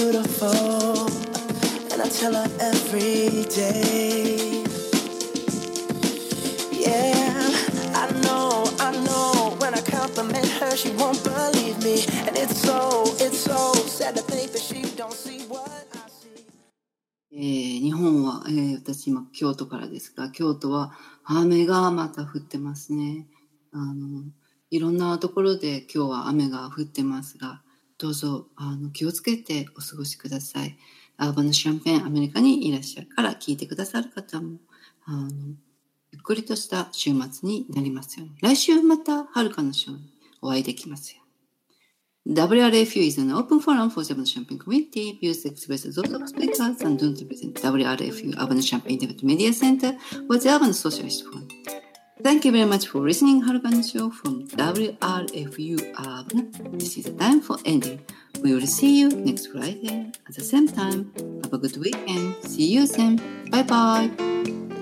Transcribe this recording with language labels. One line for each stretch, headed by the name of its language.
English: color every day. Yeah, I know, when I compliment her, she won't believe me. And it's so sad to think that she don't see what.
Japanese: 日本は、私今京都からですが、京都は雨がまた降ってますね。いろんなところで今日は雨が降ってますが、どうぞ気をつけてお過ごしください。アーバンのシャンペーン、アメリカにいらっしゃるから聞いてくださる方もゆっくりとした週末になりますように。来週また遥かの週にお会いできますよ。
English: WRFU is an open forum for the Urban Champagne community. Views expressed by those of speakers and don't represent WRFU Urban Champagne Development Media Center or the Urban Socialist Forum. Thank you very much for listening, Harukan Show from WRFU Urban. This is the time for ending. We will see you next Friday at the same time. Have a good weekend. See you soon. Bye bye.